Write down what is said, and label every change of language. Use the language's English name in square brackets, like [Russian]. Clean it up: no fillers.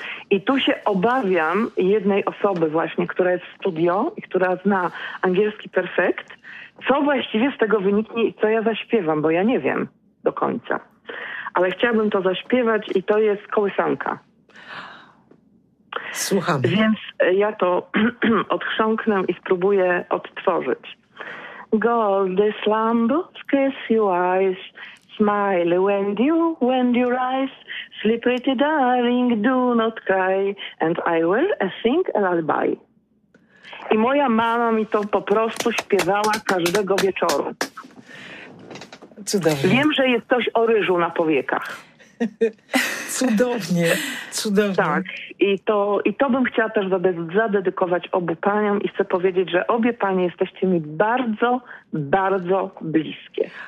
[Polish] I tu się obawiam jednej osoby właśnie, która jest w studio i która zna angielski perfekt, co właściwie z tego wyniknie i co ja zaśpiewam, bo ja nie wiem do końca. Ale chciałabym to zaśpiewać i to jest kołysanka. Słucham. Więc ja to odchrząknę i spróbuję odtworzyć. [English] Gold is slumber, kiss your eyes. Smile when you rise. Sleep pretty darling, do not cry. And I will sing a lullaby. [Polish] I moja mama mi to po prostu śpiewała każdego wieczoru. Cudownie. Wiem, że jest coś o ryżu na powiekach. Cudownie, cudownie. Tak, i to bym chciała też zadedykować obu paniom i chcę powiedzieć, że obie panie jesteście mi bardzo, bardzo bliskie.